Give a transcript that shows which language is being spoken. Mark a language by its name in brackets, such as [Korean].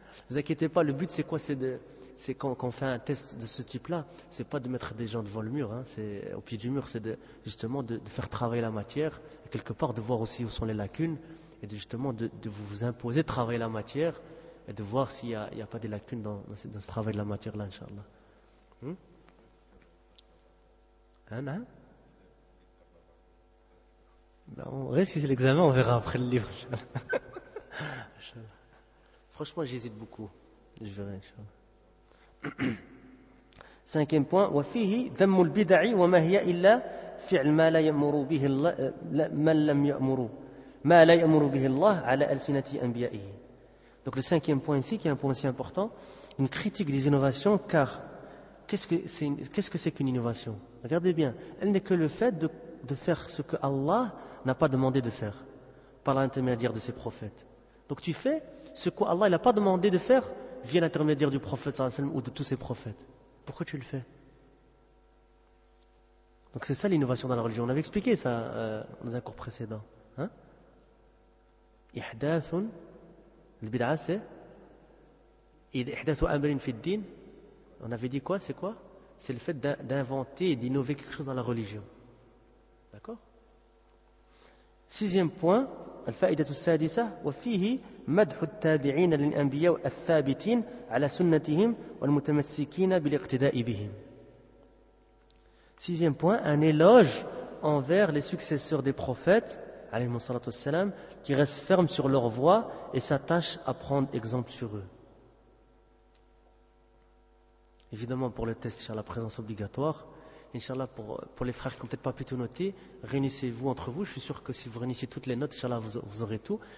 [French] Vous inquiétez pas, le but c'est quoi? C'est quand on fait un test de ce type-là, c'est pas de mettre des gens devant le mur, hein, c'est au pied du mur, c'est justement de faire travailler la matière, et quelque part de voir aussi où sont les lacunes, et justement de vous imposer de travailler la matière, et de voir s'il n'y a pas des lacunes dans ce travail de la matière-là, Inch'Allah. Hein? Ben on reste si l'examen, on verra après le livre, Inch'Allah. Franchement, j'hésite beaucoup. Je verrai, Inch'Allah. Cinquième point, [Arabic] وفيه ذم البدع وما هي إلا فعل ما لا يأمر به الله من لم يأمر ما لا يأمر به الله على ألسنة أنبيائه. [French] Donc le cinquième point ici, qui est un point aussi important, une critique des innovations, car qu'est-ce que c'est qu'une innovation? Regardez bien, elle n'est que le fait de faire ce que Allah n'a pas demandé de faire par l'intermédiaire de ses prophètes. Donc tu fais ce que Allah n'a pas demandé de faire via l'intermédiaire du prophète sallallahu alayhi wa sallam ou de tous ses prophètes. Pourquoi tu le fais? Donc c'est ça l'innovation dans la religion. On avait expliqué ça dans un cours précédent. Ihdathun, le bid'a c'est Ihdathu amrin fi din. On avait dit quoi? C'est quoi? C'est le fait d'inventer et d'innover quelque chose dans la religion. D'accord? Sixième point, [Arabic] الفائدة السادسة وفيه مدح التابعين للأنبياء الثابتين على سنتهم والمتمسكين بالاقتداء بهم. [French] Sixième point, un éloge envers les successeurs des prophètes, [Arabic] عليهم الصلاة والسلام, [French] qui restent fermes sur leur voie et s'attachent à prendre exemple sur eux. Évidemment, pour le test, sur la présence obligatoire. Inch'Allah, pour les frères qui n'ont peut-être pas pu tout noter, réunissez-vous entre vous. Je suis sûr que si vous réunissez toutes les notes, Inch'Allah, vous aurez tout.